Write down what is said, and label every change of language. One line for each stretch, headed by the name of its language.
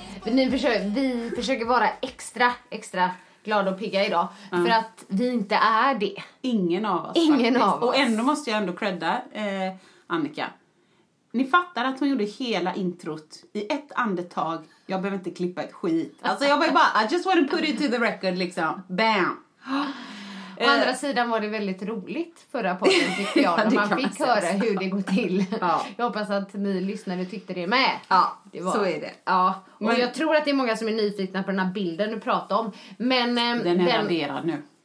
Swedish: Vi försöker vara extra glad och pigga idag. Mm. För att vi inte är det. Ingen av oss. Ingen faktiskt. Av oss. Och ändå måste jag ändå credda Annika. Ni fattar att hon gjorde hela introt i ett andetag. Jag behöver inte klippa ett skit. Alltså jag var ju bara,
English: I just want to put it to the record
Swedish: liksom. Bam. Å andra sidan var det väldigt roligt förra podden, tyckte jag. När man fick höra så. Hur det går till. Ja. Jag hoppas att ni lyssnare tyckte det med. Ja, det var, så är det. Ja. Och men, jag tror att det är många som är nyfikna på den här bilden du pratar om. Men, den är raderad nu.